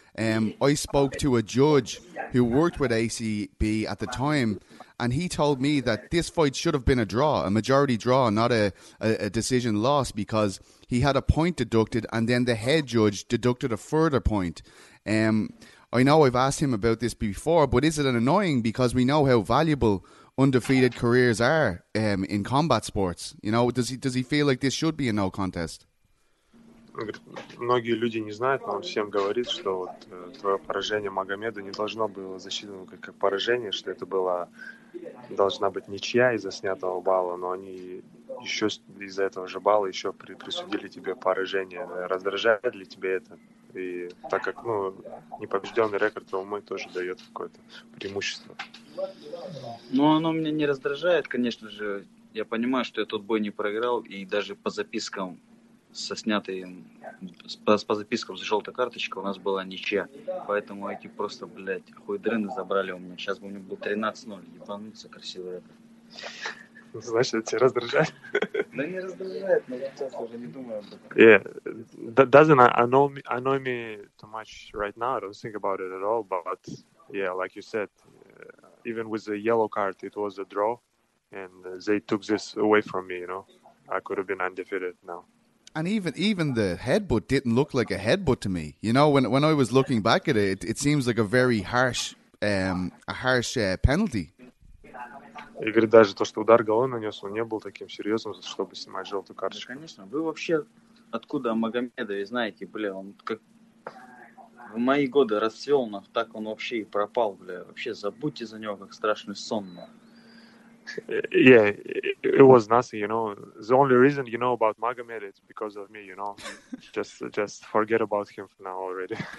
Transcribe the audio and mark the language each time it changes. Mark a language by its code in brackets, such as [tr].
[en] I spoke to a judge who worked with ACB at the time, and he told me that this fight should have been a draw, a majority draw, not a decision loss, because he had a point deducted, and then the head judge deducted a further point. I know I've asked him about this before, but is it an annoying, because we know how valuable undefeated careers are in combat sports? You know, does he feel like this should be a no contest? [ru] Многие люди не знают, но он всем говорит, что вот твое поражение Магомеду не должно было засчитываться как поражение, что это была должна быть ничья из-за снятого балла, но они еще из-за этого же балла еще присудили тебе поражение. Раздражает ли тебе это? И так как, ну, непобежденный рекорд ОМА тоже дает какое-то преимущество. Ну, оно меня не раздражает, конечно же. Я понимаю, что я тот бой не проиграл, и даже по запискам со снятой, по запискам с желтой карточкой у нас была ничья. Поэтому эти просто, блядь, хуй дрыны забрали у меня. Сейчас бы у меня был 13-0, ебануться красивый рекорд. Значит, тебя раздражает? Да не раздражает, но сейчас уже не думаю об этом. [en] Yeah, that doesn't annoy me too much right now. I don't think about it at all. But yeah, like you said, even with the yellow card, it was a draw, and they took this away from me. You know, I could have been undefeated now. And even the headbutt didn't look like a headbutt to me. You know, when I was looking back at it, it seems like a very harsh penalty. [ru] И говорит, даже то, что удар головой нанес, он не был таким серьезным, чтобы снимать желтую карточку. Да, конечно. Вы вообще откуда Магомедов? И знаете, бля, он как в мои годы расцвел, но так он вообще и пропал, бля. Вообще забудьте за него, как страшный сон. [en] Yeah, it was nothing, you know. The only reason you know about Magomed is because of me, you know. Just forget about him for now already.